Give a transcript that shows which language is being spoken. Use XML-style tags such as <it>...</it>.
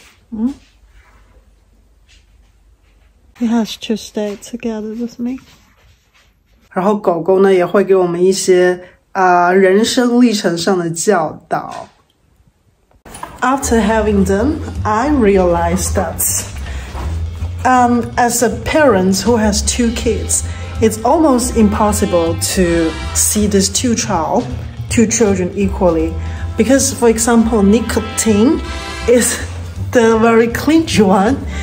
<en>嗯。He has to stay together with me。</en> <zh>然后狗狗呢也会给我们一些人生历程上的教导。</zh> <en>After having them, I realized that, as a parent who has two kids, It's almost impossible to see these two children equally, because for example, nicotine is the very clingy one.</en>